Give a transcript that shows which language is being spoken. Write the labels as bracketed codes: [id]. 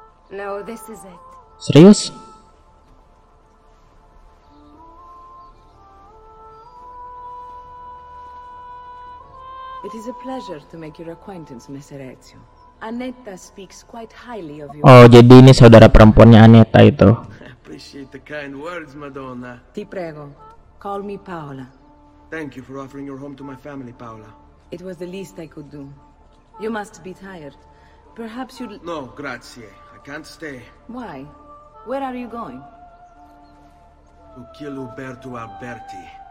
[en] No, this is it. [id] Serius? [en] It is a pleasure to make your acquaintance, Messer Ezio. Aneta speaks quite highly of you. [id] Oh, jadi ini saudara perempuannya Aneta itu. [en] Appreciate the kind words, Madonna. [it] Ti prego, [en] call me Paola. Thank you for offering your home to my family, Paola. It was the least I could do. You must be tired. Perhaps you'd... No, grazie. I can't stay. Why? Where are you going? To kill Uberto Alberti.